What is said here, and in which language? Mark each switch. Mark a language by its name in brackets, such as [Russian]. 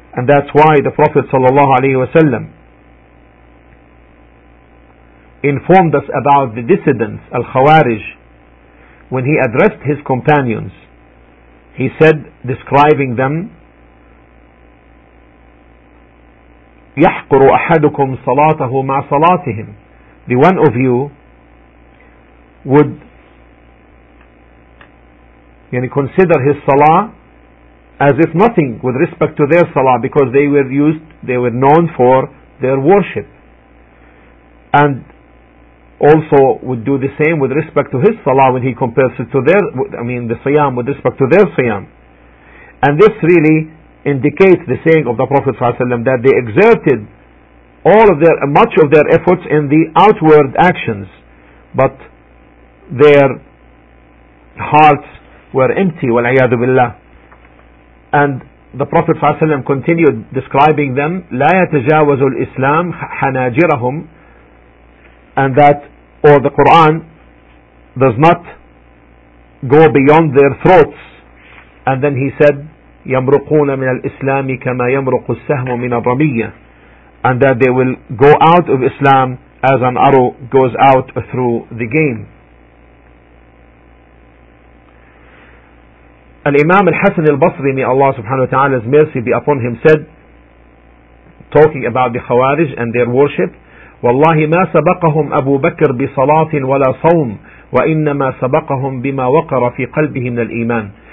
[English] And that's why the Prophet sallallahu alayhi wa sallam informed us about the dissidents, al-Khawarij, when he addressed his companions. He said, describing them, [Arabic] يَحْقُرُ أَحَدُكُمْ صَلَاتَهُ مَعَ صَلَاتِهِمْ. [English] The one of you would consider his salah as if nothing with respect to their salah, because they were known for their worship, and also would do the same with respect to his salah when he compares it to the siyam with respect to their siyam. And this really indicates the saying of the Prophet ﷺ that they exerted much of their efforts in the outward actions, but their hearts were empty, [Arabic] وَالْعِيَاذُ بِاللَّهِ. [English] And the Prophet ﷺ continued describing them, [Arabic] لَا يَتَجَاوَزُ الْإِسْلَامِ حَنَاجِرَهُمْ. [English] And that, or the Quran does not go beyond their throats. And then he said, [Arabic] يَمْرُقُونَ مِنَ الْإِسْلَامِ كَمَا يَمْرُقُ السَّهْمُ مِنَ الرَّمِيَّةِ. [English] And that they will go out of Islam as an arrow goes out through the game. Al-Imam Al-Hasan Al-Basri, may Allah subhanahu wa ta'ala's mercy be upon him, said, talking about the Khawarij and their worship, [Arabic] وَاللَّهِ مَا سَبَقَهُمْ أَبُو بَكْرٍ بِصَلَاةٍ وَلَا صَوْمٍ وَإِنَّمَا سَبَقَهُمْ بِمَا وَقَرَ فِي قَلْبِهِ مِنَ الْإِيمَانِ.